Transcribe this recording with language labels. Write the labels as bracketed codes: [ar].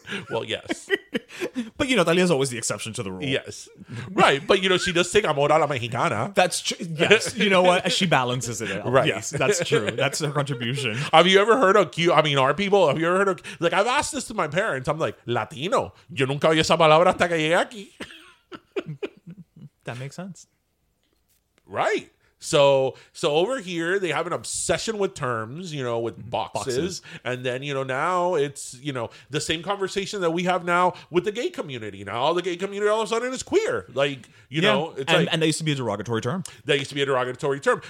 [en] Well, yes. But, you know, Thalia is always the exception to the rule. Yes. Right. But, you know, she does sing Amor a la Mexicana. That's true. Yes. You know what? She balances it out. Right. Yes, that's true. That's her contribution. Have you ever heard of cute? I mean, our people, have you ever heard of... Like, I've asked this to my parents. I'm like, Latino. [es] Yo nunca oí esa palabra hasta que llegué aquí. [en] That makes sense. Right. So over here, they have an obsession with terms, you know, with boxes. And then, you know, now it's, you know, the same conversation that we have now with the gay community. Now the gay community all of a sudden is queer. And that used to be a derogatory term.